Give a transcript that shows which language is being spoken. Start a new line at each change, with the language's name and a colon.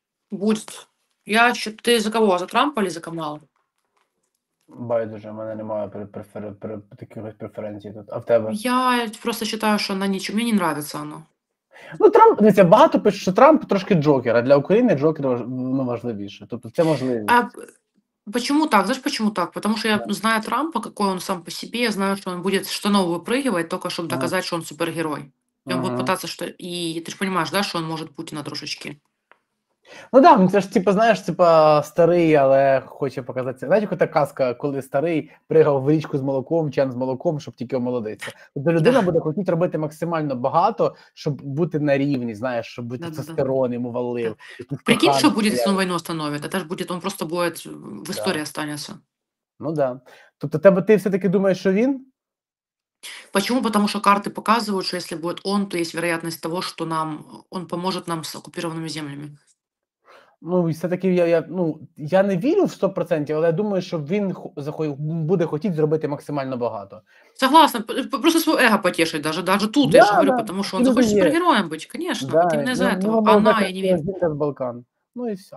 Ukrainian: Будуть. Я ще ти за кого? За Трампа чи за Камалу? Байдуже, в мене немає таких преференцій тут. А в тебе? Я просто вважаю, що вона нічого. Мені не подобається воно. Ну, Трамп, дивіться, багато пишуть, що Трамп трошки джокер, а для України джокер важливіше. Тобто це можливість.
Russian: Почему так? Знаешь, почему так? Потому что я знаю Трампа, какой он сам по себе, я знаю, что он будет штанов выпрыгивать, только чтобы доказать, что он супергерой. И он будет пытаться, что... И ты же понимаешь, да, что он может Путина трошечки.
Ukrainian: Ну да, це ж типу, знаєш, типу старий, але хоче показатися. Знаєш, яка казка, коли старий пригав в річку з молоком, чан з молоком, щоб тільки омолодитися. Тобто людина буде хотіти робити максимально багато, щоб бути на рівні, знаєш, щоб бути тестостерон йому валив. Прикинь, що буде, якщо війну встановити, теж буде, він просто буде в історії останеться. Ну да. Тобто тебе ти все-таки думаєш, що він?
Russian: Почему? Потому что карты показывают, что если будет он, то есть вероятность того, что нам он поможет нам с оккупированными землями.
Ukrainian: Ну, і все-таки я не вірю в 100%, але я думаю, що він буде хотіти зробити максимально багато.
Russian: Согласна,
Ukrainian: просто своє его потішить, даже тут, да, я ж говорю, да, потому що він захоче супергероєм бути, звісно, да, він не за цього, а вона, я не вірю. Балкан. Ну, і все.